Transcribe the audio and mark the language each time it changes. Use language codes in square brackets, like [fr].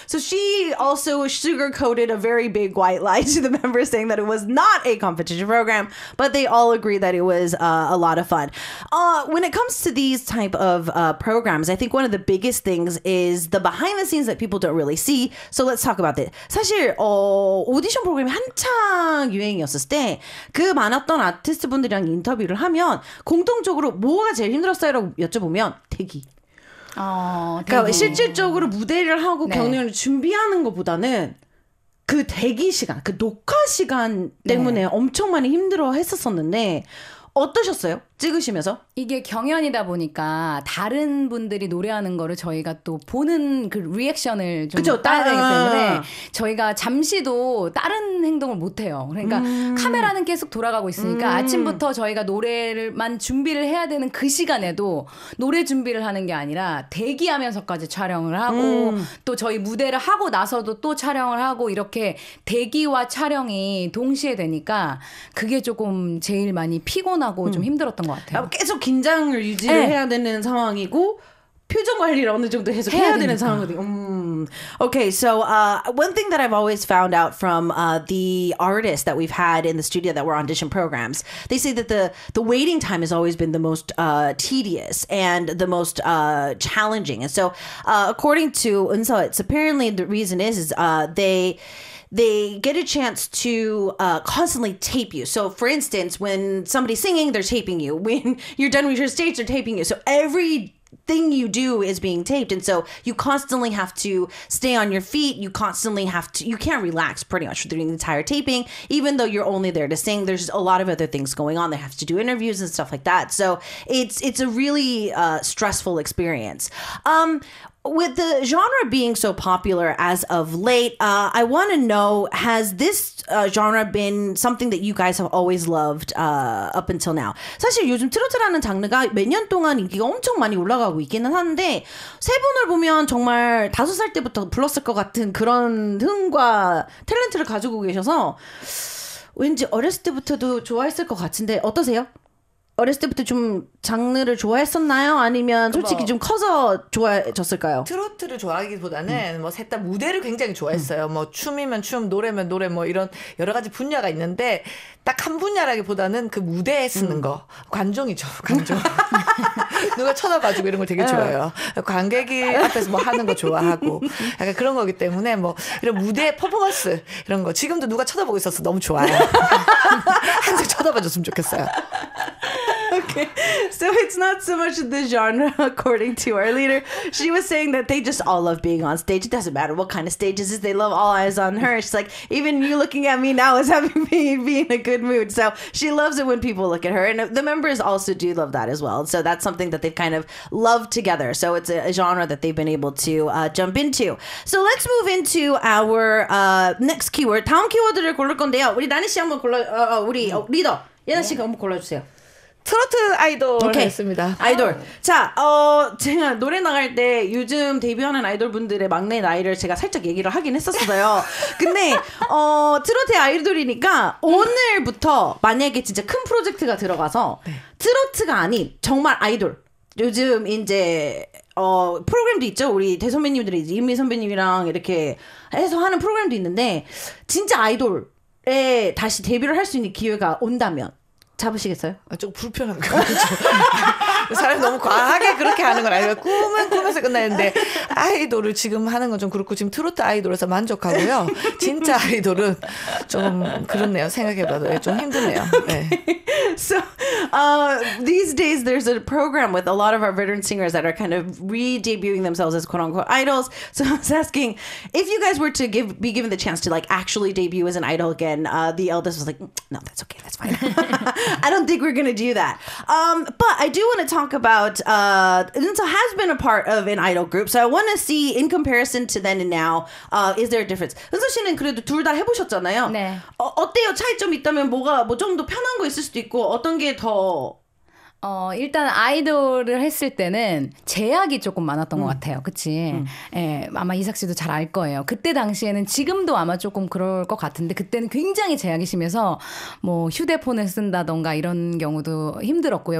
[en] So she also sugarcoated a very big white lie to the members saying that it was not a competition program, but they all agree that it was a lot of fun. When it comes to these type of programs, I think one of the biggest things is the behind the scenes that people don't really see. So let's talk about this. [ko] 사실 오디션 프로그램이 한창 유행이었을 때 그 많았던 아티스트 분들이랑 인터뷰를 하면 공통적으로 뭐가 제일 힘들었어요라고 여쭤보면 대기. 그러니까 대기. 실질적으로 무대를 하고 네. 경연을 준비하는 것보다는 그 대기 시간, 그 녹화 시간 때문에 네. 엄청 많이 힘들어 했었었는데 어떠셨어요? 찍으시면서? 이게 경연이다 보니까 다른 분들이 노래하는 거를 저희가 또 보는 그 리액션을 좀 그쵸? 따야 되기 때문에 저희가 잠시도 다른 행동을 못해요. 그러니까 카메라는 계속 돌아가고 있으니까 아침부터 저희가 노래만 준비를 해야 되는 그 시간에도 노래 준비를 하는 게 아니라 대기하면서까지 촬영을 하고 또 저희 무대를 하고 나서도 또 촬영을 하고 이렇게 대기와 촬영이 동시에 되니까 그게 조금 제일 많이 피곤하고 좀 힘들었어요. 것 같아요. 계속 긴장을 유지를 네. 해야 되는 상황이고 표정 관리를 어느 정도 계속 해야 되는 상황이거든요. [en] Okay, so one thing that I've always found out from the artists that we've had in the studio that were audition programs, they say that the waiting time has always been the most tedious and the most challenging. And so according to Eunseo, it's apparently the reason is they get a chance to constantly tape you. So, for instance, when somebody's singing, they're taping you. When you're done with your stage, they're taping you. So everything you do is being taped. And so you constantly have to stay on your feet. You constantly have to, you can't relax pretty much during the entire taping. Even though you're only there to sing, there's a lot of other things going on. They have to do interviews and stuff like that. So it's a really stressful experience. With the genre being so popular as of late, I want to know, has this genre been something that you guys have always loved up until now? [ko] 사실 요즘 트로트라는 장르가 몇 년 동안 인기가 엄청 많이 올라가고 있기는 한데 세 분을 보면 정말 다섯 살 때부터 불렀을 것 같은 그런 흥과 탤런트를 가지고 계셔서 왠지 어렸을 때부터도 좋아했을 것 같은데 어떠세요? 어렸을 때부터 좀 장르를 좋아했었나요? 아니면 솔직히 좀 커서 좋아졌을까요? 트로트를 좋아하기보다는 뭐 셋 다 무대를 굉장히 좋아했어요. 뭐 춤이면 춤, 노래면 노래 뭐 이런 여러 가지 분야가 있는데 딱 한 분야라기보다는 그 무대에 쓰는 거. 관종이죠. 관종. 누가 쳐다봐주고 이런 걸 되게 좋아해요. 관객이 앞에서 뭐 하는 거 좋아하고 약간 그런 거기 때문에 뭐 이런 무대 퍼포먼스 이런 거 지금도 누가 쳐다보고 있어서 너무 좋아요. 항상 쳐다봐줬으면 좋겠어요. [en] Okay, so it's not so much the genre, according to our leader. She was saying that they just all love being on stage. It doesn't matter what kind of stage it is. They love all eyes on her. She's like, even you looking at me now is having me be in a good mood. So she loves it when people look at her. And the members also do love that as well. So that's something that they've kind of loved together. So it's a genre that they've been able to jump into. So let's move into our next keyword. [ko] 다음 키워드를 고를 건데요. 우리 나니 씨 한번 골라, 우리 리더, 예나 씨가 한번 골라주세요. 트로트 아이돌 okay. 했습니다. 아이돌. 자, 제가 노래 나갈 때 요즘 데뷔하는 아이돌 분들의 막내 나이를 제가 살짝 얘기를 하긴 했었어요. 근데 트로트의 아이돌이니까 오늘부터 만약에 진짜 큰 프로젝트가 들어가서 네. 트로트가 아닌 정말 아이돌. 요즘 이제 프로그램도 있죠. 우리 대선배님들이 이미 선배님이랑 이렇게 해서 하는 프로그램도 있는데 진짜 아이돌에 다시 데뷔를 할 수 있는 기회가 온다면 잡으시겠어요? 아, 좀 불편한 거죠. 사람이 너무 과하게 그렇게 하는 건 아니고 꿈은 꿈에서 끝나는데 아이돌을 지금 하는 건 좀 그렇고 지금 트로트 아이돌에서 만족하고요. 진짜 아이돌은 좀 그렇네요. 생각해봐도 좀 힘드네요. 네. [en] So these days there's a program with a lot of our veteran singers that are kind of re-debuting themselves as quote unquote idols. So I was asking if you guys were to be given the chance to like actually debut as an idol again, the eldest was like, no, that's okay, that's fine. I don't think we're gonna do that. But I do want to talk about Eunsa has been a part of an idol group, so I want to see in comparison to then and now, is there a difference? [ko] Eunsa 씨는 그래도 둘 다 해보셨잖아요. 네. 어때요? 차이점 있다면 뭐가 뭐 좀 더 편한 거 있을 수도 있고 어떤 게 더 일단 아이돌을 했을 때는 제약이 조금 많았던 것 같아요. 그치? 예, 아마 이삭 씨도 잘 알 거예요. 그때 당시에는 지금도 아마 조금 그럴 것 같은데 그때는 굉장히 제약이 심해서 뭐 휴대폰을 쓴다던가 이런 경우도 힘들었고요.